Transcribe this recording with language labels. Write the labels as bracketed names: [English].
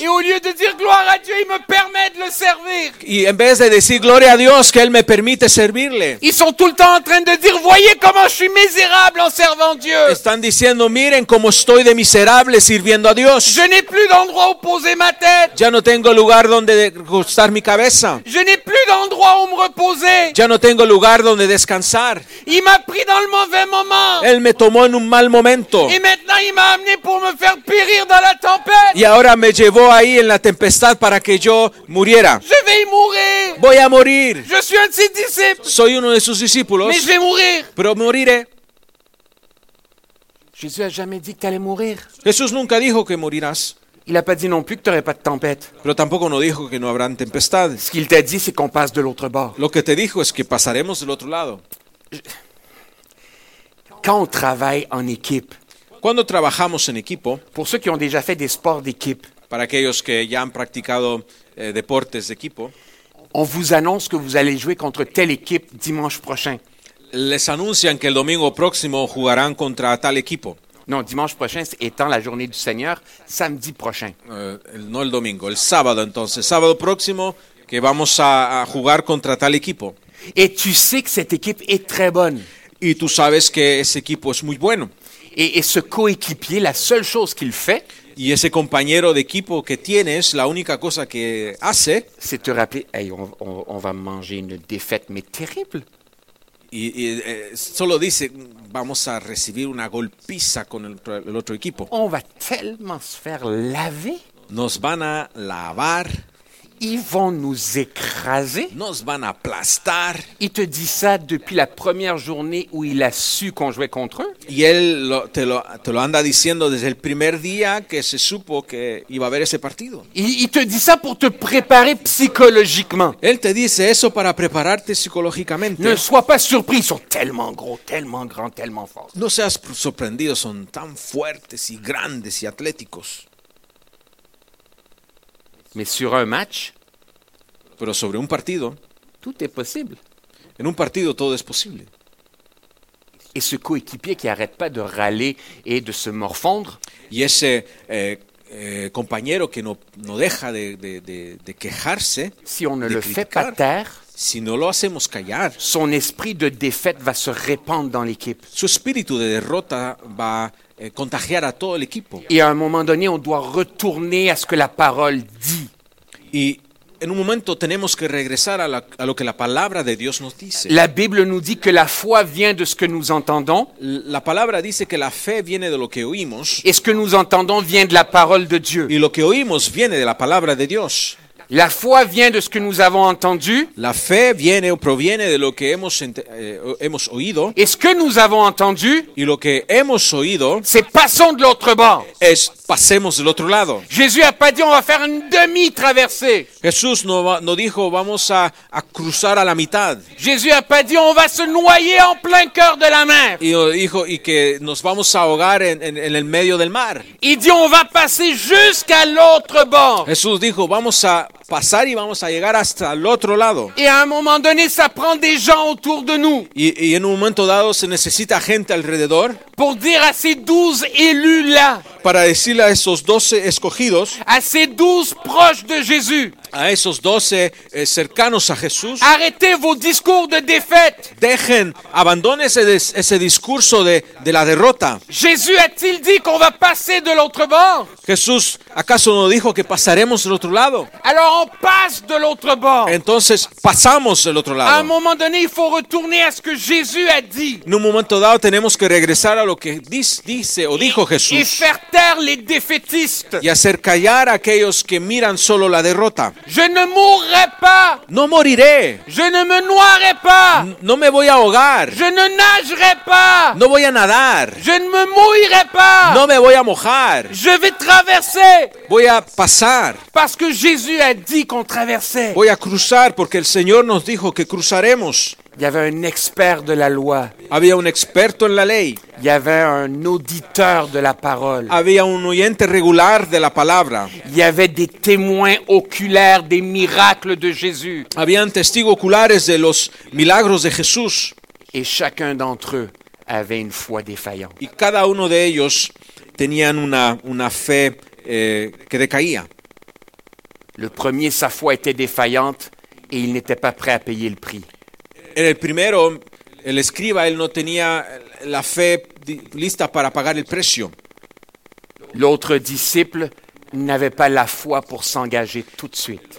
[French] Et au lieu de dire gloire à Dieu, il me permet de le servir. [Spanish] Y en vez de decir gloria a Dios que él me permite servirle. [French] Ils sont tout le temps en train de dire, voyez comment je suis misérable en servant Dieu. [Spanish] Están diciendo miren cómo estoy de miserable sirviendo a Dios. [French] Je n'ai plus d'endroit où poser ma tête. [Spanish] Ya no tengo lugar donde recostar mi cabeza. [French] Je n'ai plus d'endroit où me reposer. [Spanish] Ya no tengo lugar donde descansar. [French] Il m'a pris dans le mauvais moment. [Spanish] Él me tomó en un mal momento. [French] Et maintenant il m'a amené pour me faire périr dans la tempête. [Spanish] Y ahora me llevó ahí en la tempestad para que yo muriera. [French] Je vais y mourir. [Spanish] Voy a morir. [French] Je suis un de ses disciples. [Spanish] Soy uno de sus discípulos. [French] Mais je vais mourir. [Spanish] Pero moriré. [French] Jésus a jamais dit que t'allais mourir. [Spanish] Jesús nunca dijo que morirás. [French] Il a pas dit non plus que tu aurais pas de tempête. [Spanish] Pero tampoco no dijo que no habrá tempestad. [French] Ce qu'il t'a dit, c'est qu'on passe de l'autre bord. [Spanish] Lo que te dijo es que pasaremos del otro lado. [French] Quand on travaille en équipe. [Spanish] Cuando trabajamos en equipo. [French] Pour ceux qui ont déjà fait des sports d'équipe. [Spanish] Para aquellos que ya han practicado deportes de equipo. [French] On vous annonce que vous allez jouer contre telle équipe dimanche prochain. [Spanish] Les anuncian que el domingo próximo jugarán contra tal equipo. [French] Non, dimanche prochain étant la journée du Seigneur, samedi prochain. [Spanish] No el domingo, el sábado entonces. Sábado próximo que vamos a jugar contra tal equipo. [French] Et tu sais que cette équipe est très bonne. [Spanish] Y tú sabes que ese equipo es muy bueno. [French] Et ce coéquipier, la seule chose qu'il fait, [Spanish] y ese compañero de equipo que tienes, la única cosa que hace, [French] c'est te rappeler, hey, on va manger une défaite, mais terrible. [Spanish] Solo dice, vamos a recibir una golpiza con el otro equipo. [French] On va tellement se faire laver. [Spanish] Nos van a lavar. [French] Ils vont nous écraser. [Spanish] Nos van a aplastar. [French] Il te dit ça depuis la première journée où il a su qu'on jouait contre eux. [Spanish] Y él te lo anda diciendo desde el primer día que se supo que iba a haber ese partido. [French] Il te dit ça pour te préparer psychologiquement. [Spanish] Él te dice eso para prepararte psicológicamente. [French] Ne sois pas surpris, ils sont tellement gros, tellement grands, tellement forts. [Spanish] No seas sorprendido, son tan fuertes y grandes y atléticos. [French] Mais sur un match, [Spanish] pero sobre un partido, [French] tout est possible. [Spanish] En un partido todo es posible. [French] Et ce coéquipier qui arrête pas de râler et de se morfondre, [Spanish] y ese compañero que no deja de quejarse, [French] si on ne [Spanish] de [French] le [Spanish] criticar, [French] fait pas taire, [Spanish] si no lo hacemos callar, [French] son esprit de défaite va se répandre dans l'équipe. [Spanish] Su espíritu de derrota va contagiar a todo el equipo. [French] Et à un moment donné, on doit retourner à ce que la parole dit. [Spanish] Y en un momento tenemos que regresar a lo que la palabra de Dios nos dice. [French] La Bible nous dit que la foi vient de ce que nous entendons. [Spanish] La palabra dice que la fe viene de lo que oímos. [French] Et ce que nous entendons vient de la parole de Dieu. [Spanish] Y lo que oímos viene de la palabra de Dios. [French] La foi vient de ce que nous avons entendu. [Spanish] La fe viene o proviene de lo que hemos oído. [French] Et ce que nous avons entendu, [Spanish] y lo que hemos oído, [French] c'est passons de l'autre bord. [Spanish] Es pasemos del otro lado. [French] Jésus a pas dit on va faire une demi-traversée. [Spanish] Jesús no dijo vamos a cruzar a la mitad. [French] Jésus a pas dit on va se noyer en plein cœur de la mer. [Spanish] Y dijo y que nos vamos a ahogar en el medio del mar. [French] Il dit on va passer jusqu'à l'autre bord. [Spanish] Jesús dijo vamos a pasar y vamos a llegar hasta el otro lado. [French] Et à un moment donné, ça prend des gens autour de nous. [Spanish] Y en un momento dado se necesita gente alrededor. [French] Pour dire à ces 12 élus là. [Spanish] Para decirle a esos 12 escogidos. [French] À ces 12 proches de Jésus. [Spanish] A esos 12 cercanos a Jesús. [French] Arrêtez vos discours de défaite. [Spanish] Dejen, abandonen ese discurso de la derrota. [French] Jésus a-t-il dit qu'on va passer de l'autre bord? [Spanish] Jesús, ¿acaso no dijo que pasaremos del otro lado? [French] Alors on passe de l'autre bord. [Spanish] Entonces pasamos del otro lado. [French] À un moment donné, il faut retourner à ce que Jésus a dit. [Spanish] En un momento dado tenemos que regresar a lo que dice o dijo Jesús. [French] Y faire taire les défaitistes. [Spanish] Y hacer callar a aquellos que miran solo la derrota. [French] Je ne mourrai pas. [Spanish] No moriré. [French] Je ne me noierai pas. [Spanish] No me voy a ahogar. [French] Je ne nagerai pas. [Spanish] No voy a nadar. [French] Je ne me mouillerai pas. [Spanish] No me voy a mojar. [French] Je vais traverser. [Spanish] Voy a pasar. [French] Parce que Jésus a dit qu'on traversait. [Spanish] Voy a cruzar porque el Señor nos dijo que cruzaremos. [French] Il y avait un expert de la loi. [Spanish] Había un experto en la ley. [French] Il y avait un auditeur de la parole. [Spanish] Había un oyente regular de la palabra. [French] Il y avait des témoins oculaires des miracles de Jésus. [Spanish] Habían testigos oculares de los milagros de Jesús. [French] Et chacun d'entre eux avait une foi défaillante. [Spanish] Y cada uno de ellos tenían una fe que decaía. [French] Le premier, sa foi était défaillante et il n'était pas prêt à payer le prix. [Spanish] En el primero, el escriba, él no tenía la fe lista para pagar el precio. [French] L'autre disciple n'avait pas la foi pour s'engager tout de suite.